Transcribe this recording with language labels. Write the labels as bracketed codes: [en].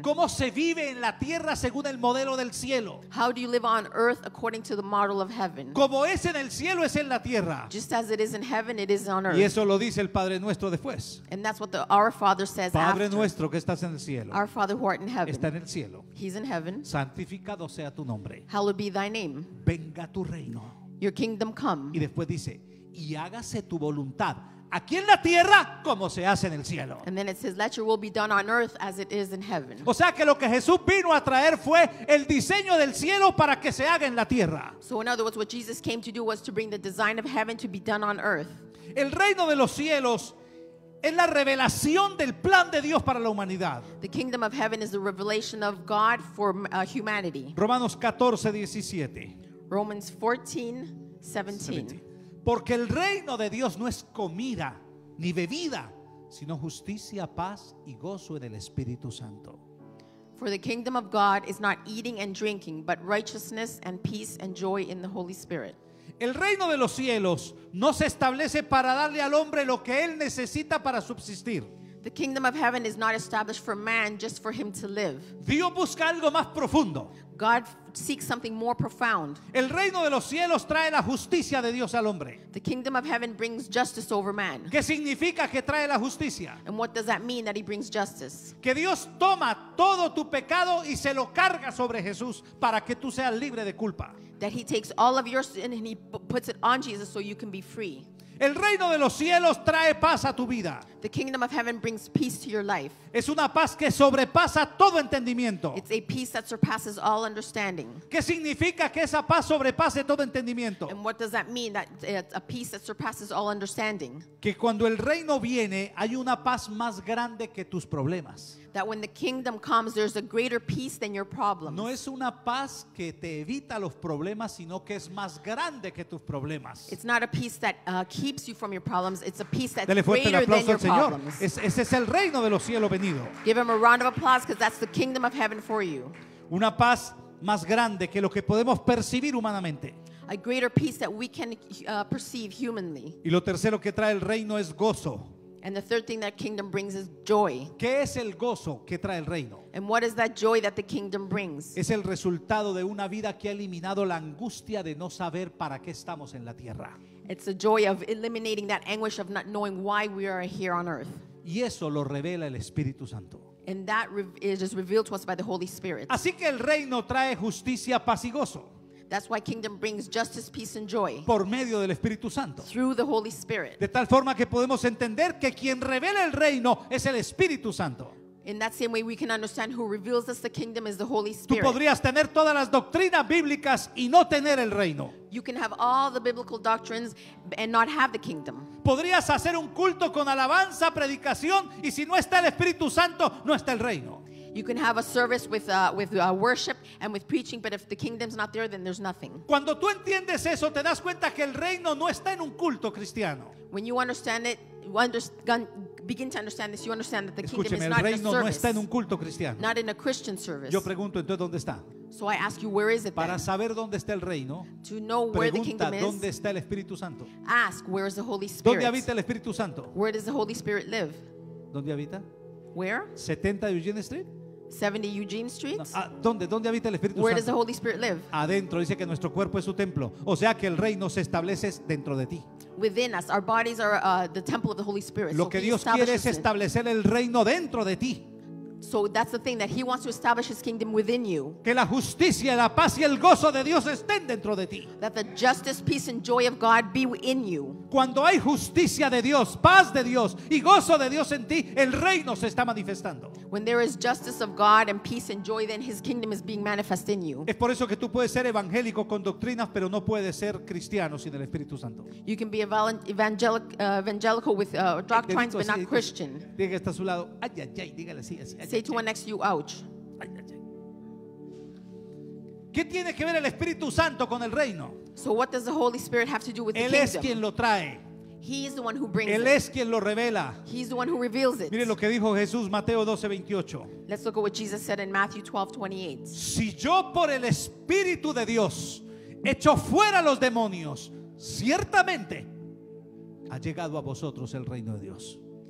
[es] ¿Cómo se vive en la tierra según el modelo del cielo? [en] How do you live on earth according to the model of heaven? [es] Como es en el cielo, es en la tierra. [en] Just as it is in heaven, it is on earth. [es] Y eso lo dice el Padre Nuestro después. [en] And that's what our Father says. [es] Padre [en] after. [es] Nuestro que estás en el cielo. [en] Our Father who art in heaven. [es] Está en el cielo. [en] He's in heaven. [es] Santificado sea tu nombre. [en] Hallowed be thy name. [es] Venga tu reino. [en] Your kingdom come. [es] Y después dice, y hágase tu voluntad. Aquí en la tierra como se hace en el cielo. [en] And then it says, let your will be done on earth as it is in heaven. [es] O sea que lo que Jesús vino a traer fue el diseño del cielo para que se haga en la tierra. [en] So in other words, what Jesus came to do was to bring the design of heaven to be done on earth. [es] El reino de los cielos es la revelación del plan de Dios para la humanidad. [en] The kingdom of heaven is the revelation of God for humanity. [es] Romanos 14:17. [en] Romans 14:17. [es] Porque el reino de Dios no es comida ni bebida, sino justicia, paz y gozo en el Espíritu Santo. [en] For the kingdom of God is not eating and drinking, but righteousness and peace and joy in the Holy Spirit. [es] El reino de los cielos no se establece para darle al hombre lo que él necesita para subsistir. [en] The kingdom of heaven is not established for man just for him to live. [es] Dios busca algo más profundo. [en] God seeks something more profound. [es] El reino de los cielos trae la justicia de Dios al hombre. [en] The kingdom of heaven brings justice over man. [es] ¿Qué significa que trae la justicia? [en] And what does that mean that he brings justice? [es] Que Dios toma todo tu pecado y se lo carga sobre Jesús para que tú seas libre de culpa. [en] That he takes all of your sin and he puts it on Jesus so you can be free. [es] El reino de los cielos trae paz a tu vida. [en] The kingdom of heaven brings peace to your life. [es] Es una paz que sobrepasa todo entendimiento. [en] It's a peace that surpasses all understanding. [es] ¿Qué significa que esa paz sobrepase todo entendimiento? [en] And what does that mean that it's a peace that surpasses all understanding? [es] Que cuando el reino viene, hay una paz más grande que tus problemas. [en] That when the kingdom comes, there's a greater peace than your problems. [es] No es una paz que te evita los problemas, sino que es más grande que tus problemas. [en] It's not a peace that keeps you from your problems. It's a peace that's greater than your problems. [es] Señor, ese es el reino de los cielos venido. [en] Give him a round of applause because that's the kingdom of heaven for you. [es] Una paz más grande que lo que podemos percibir humanamente. [en] A greater peace that we can perceive humanly. [es] Y lo tercero que trae el reino es gozo. [en] And the third thing that kingdom brings is joy. [es] ¿Qué es el gozo que trae el reino? [en] And what is that joy that the kingdom brings? [es] Es el resultado de una vida que ha eliminado la angustia de no saber para qué estamos en la tierra. [en] It's the joy of eliminating that anguish of not knowing why we are here on earth. [es] Y eso lo revela el Espíritu Santo. [en] And that is revealed to us by the Holy Spirit. [es] Así que el reino trae justicia, paz y gozo. [en] That's why kingdom brings justice, peace and joy. [es] Por medio del Espíritu Santo. [en] Through the Holy Spirit. [es] De tal forma que podemos entender que quien revela el reino es el Espíritu Santo. [en] In that same way we can understand who reveals us the kingdom is the Holy Spirit. [es] Tú podrías tener todas las doctrinas bíblicas y no tener el reino. [en] You can have all the biblical doctrines and not have the kingdom. [es] Podrías hacer un culto con alabanza, predicación y si no está el Espíritu Santo, no está el reino. [en] You can have a service with worship and with preaching, but if the kingdom's not there, then there's nothing. [es] Cuando tú entiendes eso, te das cuenta que el reino no está en un culto cristiano. [en] When you understand it, begin to understand this, you understand that the kingdom [es] Escúcheme, [en] is not in a service. [es] El reino no está en un culto cristiano. [en] Not in a Christian service. [es] Yo pregunto, entonces, ¿dónde está? [en] So I ask you, where is it [es] Para [en] then? [es] Saber dónde está el reino, [en] to know where [es] pregunta, [en] the kingdom is, [es] ¿dónde está el Espíritu Santo? [en] Ask, where is the Holy Spirit? [es] ¿Dónde habita el Espíritu Santo? [en] Where does the Holy Spirit live? [es] ¿Dónde habita? [en] Where? 70 Eugene Street? 70 Eugene Street? [es] No, ¿dónde habita el Espíritu [en] where [es] Santo? [en] Where does the Holy Spirit live? [es] Adentro, dice que nuestro cuerpo es su templo. O sea que el reino se establece dentro de ti. [en] Within us, our bodies are the temple of the Holy Spirit. [es] Lo que Dios quiere es establecer el reino dentro de ti. [en] So that's the thing, that he wants to establish his kingdom within you. [es] Que la justicia, la paz y el gozo de Dios estén dentro de ti. [en] That the justice, peace and joy of God be in you. [es] Cuando hay justicia de Dios, paz de Dios y gozo de Dios en ti, el reino se está manifestando. [en] When there is justice of God and peace and joy, then his kingdom is being manifest in you. [es] Es por eso que tú puedes ser evangélico con doctrinas, pero no puedes ser cristiano sin el Espíritu Santo. [en] You can be evangelical with doctrines, but not Christian. [es] Diga que está a su lado, ay, ay, ay, dígale así, así. [en] Say to one next to you, ouch. [es] ¿Qué tiene que ver el Espíritu Santo con el reino? [en] So what does the Holy Spirit have to do with [es] Él [en] the kingdom? [es] Él es quien lo trae. [en] He is the one who brings [es] Él [en] it. [es] Él es quien lo revela. [en] He is the one who reveals it. [es] Mire lo que dijo Jesús, Mateo 12:28. [en] Let's look at what Jesus said in Matthew 12:28. [es] Si yo por el Espíritu de Dios echo fuera los demonios, ciertamente ha llegado a vosotros el reino de Dios.